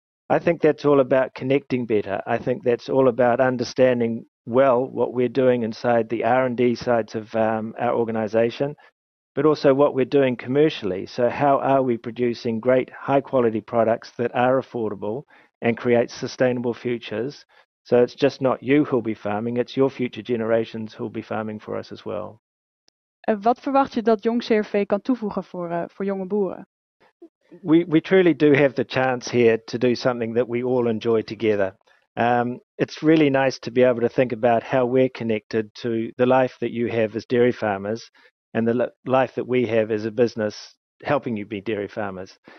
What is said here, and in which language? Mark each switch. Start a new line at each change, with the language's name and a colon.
English: I think that's all about connecting better. I think that's all about understanding well what we're doing inside the R&D sides of our organization, but also what we're doing commercially. So how are we producing great high quality products that are affordable and create sustainable futures? So it's just not you who'll be farming, it's your future generations who'll be farming for us as well.
Dutch: En wat verwacht je dat Jong CRV kan toevoegen voor jonge boeren?
English: We truly do have the chance here to do something that we all enjoy together. It's really nice to be able to think about how we're connected to the life that you have as dairy farmers and the life that we have as a business helping you be dairy farmers.